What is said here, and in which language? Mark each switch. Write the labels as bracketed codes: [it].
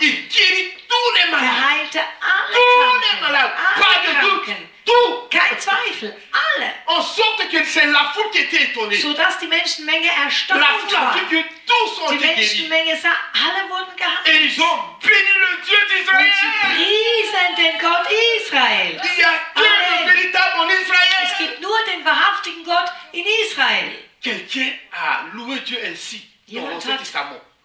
[fr] Il guérit tous les malades. [de] Er heilte alle Kranken. [fr] Pas de doute. Tout. [de] Kein Zweifel. Alle. [fr] En sorte que c'est la foule qui était étonnée. [de] Sodass die Menschenmenge erstaunt [fr] la [de] war. [fr] Que tous ont [de] die Menschenmenge sah, alle wurden geheilt. [fr] Et ils ont béni le Dieu d'Israël. [de] Und sie priesen den Gott Israel. [fr] Israël. [de] Es gibt nur den wahrhaftigen Gott in Israel. [fr] Quelqu'un a loué Dieu ainsi dans l'Ancien Testament.